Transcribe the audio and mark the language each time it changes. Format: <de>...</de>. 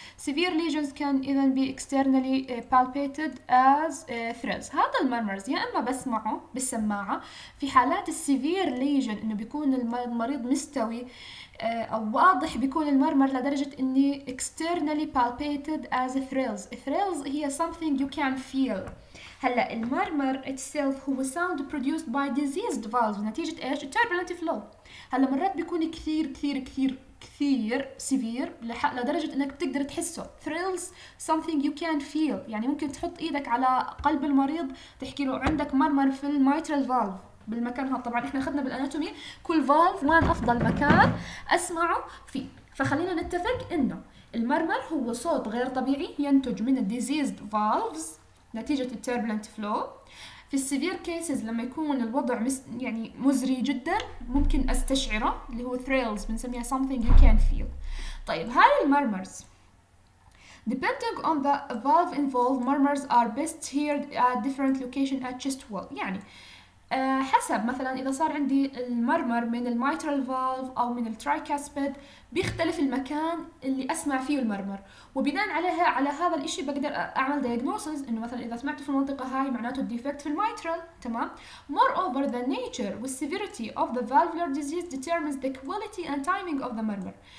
<en>Severe lesions كان اذا be externally palpated as thrills.</en> <ar>هذا المرمرز يا اما بسمعه بالسماعه في حالات السيفير ليجن، انه بيكون المريض مستوي او واضح بيكون المرمر لدرجه اني</ar> <en>Externally palpated as thrills. Thrills هي something you can feel.</en> <ar>هلا المرمر</ar> <en>itself هو sound produced by diseased valves</en> <ar>نتيجة ايش؟</ar> <en>turbulent flow.</en> <ar>هلا مرات بيكون كثير كثير كثير كثير سيفير لدرجة انك بتقدر تحسه.</ar> <en>thrills something you can feel،</en> <ar>يعني ممكن تحط ايدك على قلب المريض تحكي له عندك مرمر في الميترال valve بالمكان هذا. طبعا احنا اخذنا بالاناتومي كل valve وين افضل مكان اسمعه فيه، فخلينا نتفق انه المرمر هو صوت غير طبيعي ينتج من diseased valves نتيجة التربلنت فلو. في السيفير كيسز لما يكون الوضع يعني مزري جدا ممكن استشعره، اللي هو ثريلز بنسميها</ar> <en>something you can feel.</en> <ar>طيب هاي المرمرز</ar> <en>Depending on the valve involved, murmurs are best heard at different location at chest wall.</en> <ar>يعني حسب مثلا إذا صار عندي المرمر من الميترال فالف أو من الترايكاسبيد بيختلف المكان اللي أسمع فيه المرمر، وبناء عليها على هذا الإشي بقدر أعمل دياجنوسز إنه مثلا إذا سمعته في المنطقة هاي معناته الديفكت في الميترال. تمام.</ar> <en>Moreover, the nature and severity of the valvular disease determines the quality and timing of the murmur.</en>